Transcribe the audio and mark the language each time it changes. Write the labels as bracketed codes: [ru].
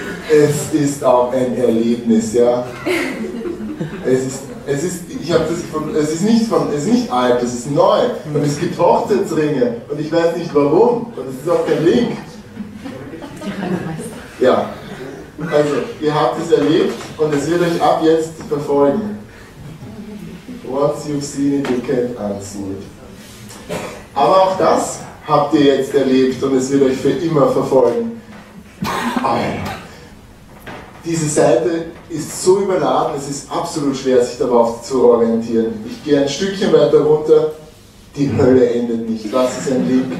[de] Es ist auch ein Erlebnis, ja. Es ist nicht alt, es ist neu. Und es gibt Hochzeitsringe. Und ich weiß nicht warum. Und es ist auch kein Link. Ja. Also, ihr habt es erlebt und es wird euch ab jetzt verfolgen. [en] Once you've seen it, you can't unsee it. [de] Aber auch das habt ihr jetzt erlebt und es wird euch für immer verfolgen. Diese Seite ist so überladen, es ist absolut schwer, sich darauf zu orientieren. Ich gehe ein Stückchen weiter runter, die Hölle endet nicht. Was ist ein Link?